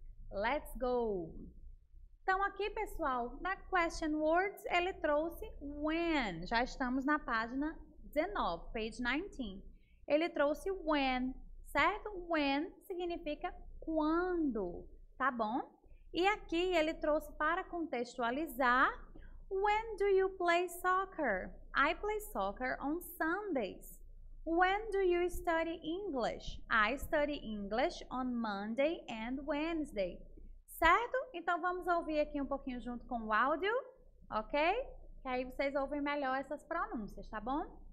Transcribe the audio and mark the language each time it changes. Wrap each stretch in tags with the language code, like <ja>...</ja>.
<en>Let's go!</en> <pt>Então, aqui, pessoal, na question words, ele trouxe when. Já estamos na página 19, page 19. Ele trouxe when, certo? When significa quando, tá bom? E aqui ele trouxe para contextualizar,</pt> <en>when do you play soccer? I play soccer on Sundays. When do you study English? I study English on Monday and Wednesday.</en> <pt>Certo? Então vamos ouvir aqui um pouquinho junto com o áudio, ok? Que aí vocês ouvem melhor essas pronúncias, tá bom?</pt>